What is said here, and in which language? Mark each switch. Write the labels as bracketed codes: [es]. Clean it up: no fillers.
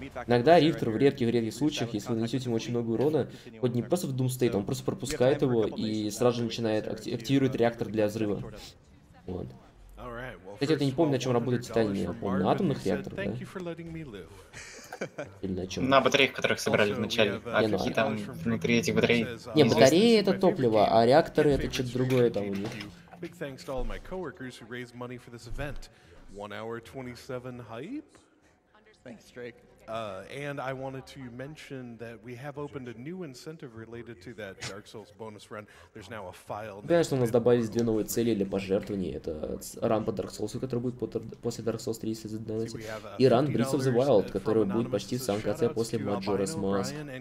[ru] Иногда Рихтер в редких-редких случаях, если вы нанесете ему очень много урона, хоть не просто в Doom State, он просто пропускает его и сразу же начинает активировать реактор для взрыва. Вот. Кстати, я не помню, на чем работает Титан, я помню, на атомных реакторах, да? Или на чем? На батареях, которых собрали вначале. Не, ну, там, внутри этих батарей. Не, батареи это топливо, а реакторы это что-то другое там у них. [en] Big thanks to all my coworkers who raised money for this event. 1 hour 27 hype? Thanks, Drake. And I wanted to mention that we have opened a new incentive related to that Dark Souls bonus run. There's now a file. [ru] Конечно, у нас добавились две новые цели для пожертвований. Это ран по Dark Souls, который будет после Dark Souls 3, если задавайте. И ран Breath of the Wild, который будет почти в самом конце после Majora's Mask.